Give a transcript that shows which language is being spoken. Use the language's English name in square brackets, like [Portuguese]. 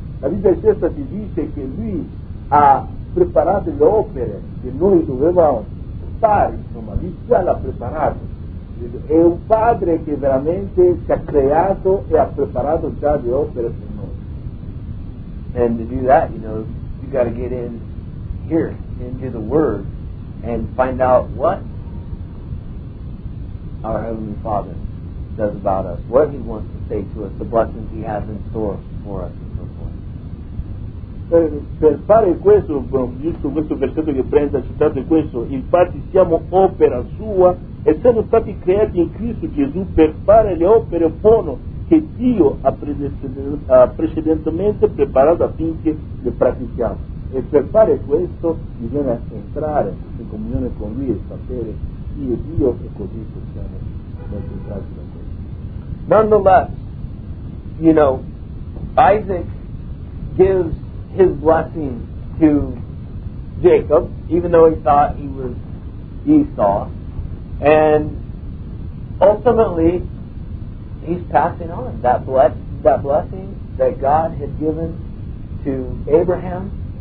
[Italian] La Bibbia stessa ti dice che Lui ha preparato le opere che noi dovevamo fare, insomma, Lui già l'ha preparato. È un Padre che veramente ci ha creato e ha preparato già le opere per noi. [English] And to do that, you know, you got to get in here, into the Word, and find out what our Heavenly Father does about us, what He wants to say to us, the blessings He has in store for us. [Italian] Per fare questo, giusto questo versetto che prende a citare questo, infatti siamo opera sua, essendo stati creati in Cristo Gesù per fare le opere buone che Dio ha precedentemente preparato affinché le pratichiamo. E per fare questo bisogna entrare in comunione con Lui e sapere chi è Dio e così possiamo essere entrati da questo. [English] Nonetheless, you know, Isaac gives his blessing to Jacob, even though he thought he was Esau, and ultimately he's passing on that blessing that God had given to Abraham.